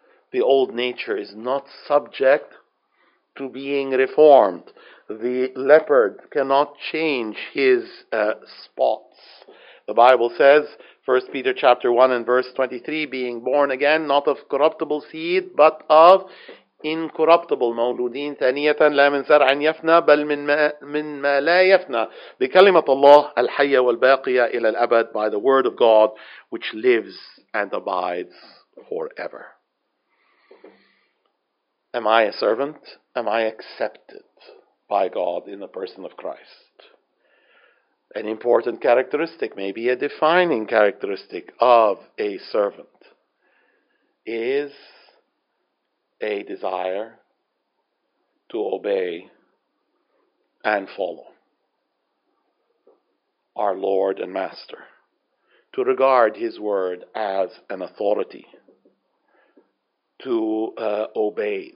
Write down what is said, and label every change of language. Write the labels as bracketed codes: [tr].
[en] The old nature is not subject to being reformed. The leopard cannot change his spots. The Bible says, 1 Peter chapter 1 and verse 23, being born again, not of corruptible seed, but of incorruptible. [ar] مولودين ثانية لا من زرع يفنى بل من ما لا يفنى بكلمة الله الحية والباقية إلى الأبد, [en] by the word of God which lives and abides forever. Am I a servant? Am I accepted by God in the person of Christ? An important characteristic, maybe a defining characteristic of a servant, is a desire to obey and follow our Lord and Master, to regard His word as an authority, to obey.